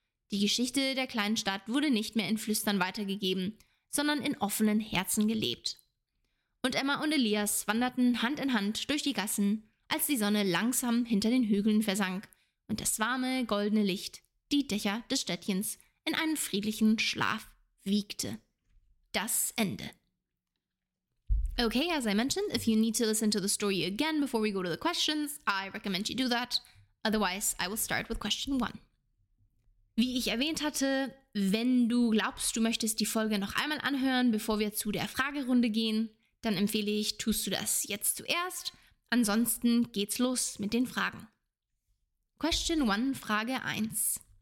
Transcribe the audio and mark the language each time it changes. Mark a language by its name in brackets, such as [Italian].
[German] Die Geschichte der kleinen Stadt wurde nicht mehr in Flüstern weitergegeben, sondern in offenen Herzen gelebt. Und Emma und Elias wanderten Hand in Hand durch die Gassen, als die Sonne langsam hinter den Hügeln versank und das warme, goldene Licht die Dächer des Städtchens in einen friedlichen Schlaf wiegte. Das Ende. [English] Okay, as I mentioned, if you need to listen to the story again before we go to the questions, I recommend you do that. Otherwise, I will start with question one. [German] Wie ich erwähnt hatte, wenn du glaubst, du möchtest die Folge noch einmal anhören, bevor wir zu der Fragerunde gehen, dann empfehle ich, tust du das jetzt zuerst. Ansonsten geht's los mit den Fragen. [English] Question 1, [German] Frage 1.